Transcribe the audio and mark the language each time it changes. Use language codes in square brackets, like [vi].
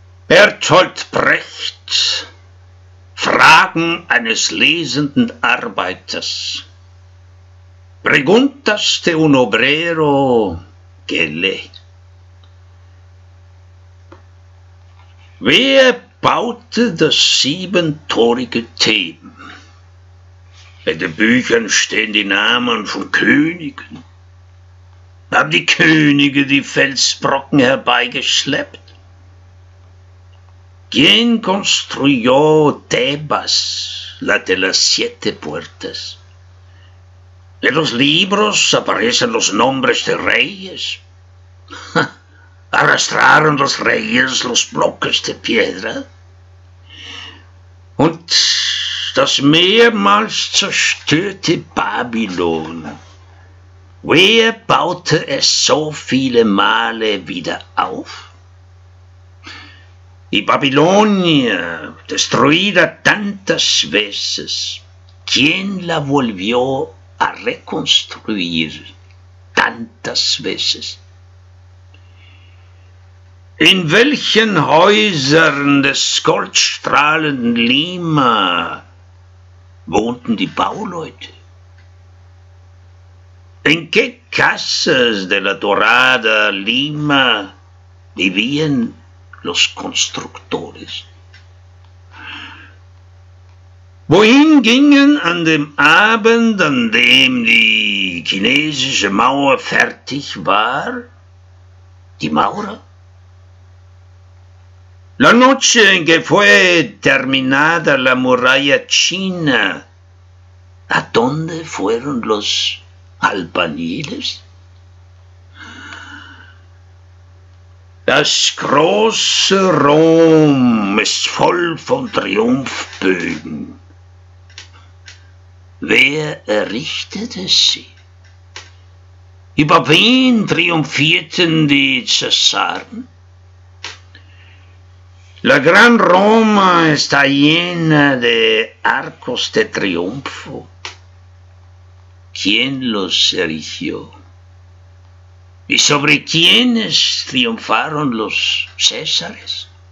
[de] Bertolt Brecht, Fragen eines lesenden Arbeiters. [es] Preguntas de un obrero que lee. [de] Wer baute das siebentorige Theben? In den Büchern stehen die Namen von Königen. Haben die Könige die Felsbrocken herbeigeschleppt? [es] ¿Quién construyó Tebas, la de las siete puertas? En los libros aparecen los nombres de reyes. ¿Arrastraron los reyes los bloques de piedra? [de] Und das mehrmals zerstörte Babylon, wer baute es so viele Male wieder auf? [es] Y Babilonia, destruida tantas veces, ¿quién la volvió a reconstruir tantas veces? [de] ¿En welchen Häusern des goldstrahlenden Lima wohnten die Bauleute? [es] ¿En qué casas de la dorada Lima vivían los constructores? [de] Wohin gingen an dem Abend, an dem die chinesische Mauer fertig war, die Maurer? [es] La noche en que fue terminada la muralla china, ¿a dónde fueron los albañiles? [de] Das große Rom ist voll von Triumphbögen. Wer errichtete sie? Über wen triumphierten die Cäsaren? [es] La Gran Roma está llena de arcos de triunfo. ¿Quién los erigió? ¿Y sobre quiénes triunfaron los Césares?